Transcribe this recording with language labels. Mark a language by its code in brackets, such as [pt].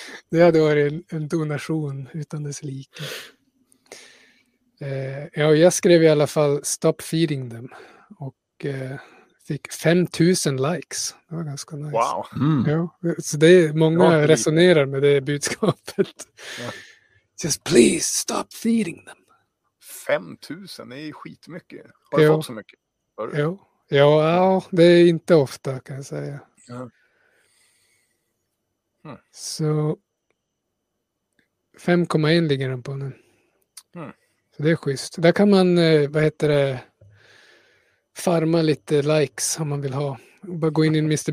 [sv] Det hade varit en donation utan dess like. Ja, jag skrev i alla fall [en] stop feeding them. [sv] Och fick 5000 likes. Det var ganska nice. Wow. Mm. Ja, så det är, många resonerar med det budskapet. [en] Just please stop feeding them. [sv] 5000, det är skitmycket. Har du fått så mycket? Ja, det är inte ofta kan jag säga. Så 5,1 ligger den på nu. Så det är schysst. Där kan man, vad heter det, farma lite likes om man vill ha. Bara gå in i Mr.